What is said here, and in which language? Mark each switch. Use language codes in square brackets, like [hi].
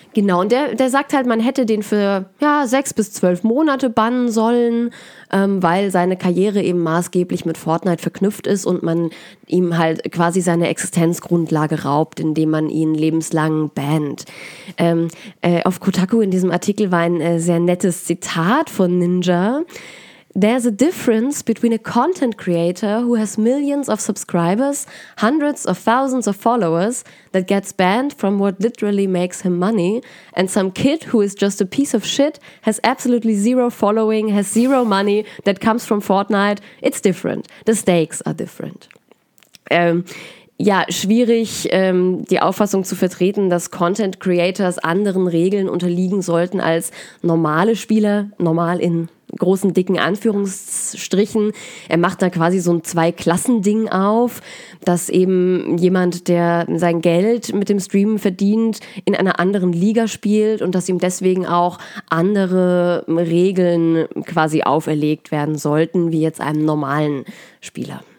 [de] Genau, und der sagt halt, man hätte den für 6 bis 12 Monate bannen sollen, weil seine Karriere eben maßgeblich mit Fortnite verknüpft ist und man ihm halt quasi seine Existenzgrundlage raubt, indem man ihn lebenslang bannt. Auf Kotaku in diesem Artikel war ein sehr nettes Zitat von Ninja. [en] There's a difference between a content creator who has millions of subscribers, hundreds of thousands of followers that gets banned from what literally makes him money, and some kid who is just a piece of shit, has absolutely zero following, has zero money that comes from Fortnite. It's different. The stakes are different. [de] Ja, schwierig, die Auffassung zu vertreten, dass Content Creators anderen Regeln unterliegen sollten als normale Spieler, normal in großen, dicken Anführungsstrichen. Er macht da quasi so ein Zwei-Klassen-Ding auf, dass eben jemand, der sein Geld mit dem Streamen verdient, in einer anderen Liga spielt und dass ihm deswegen auch andere Regeln quasi auferlegt werden sollten, wie jetzt einem normalen Spieler.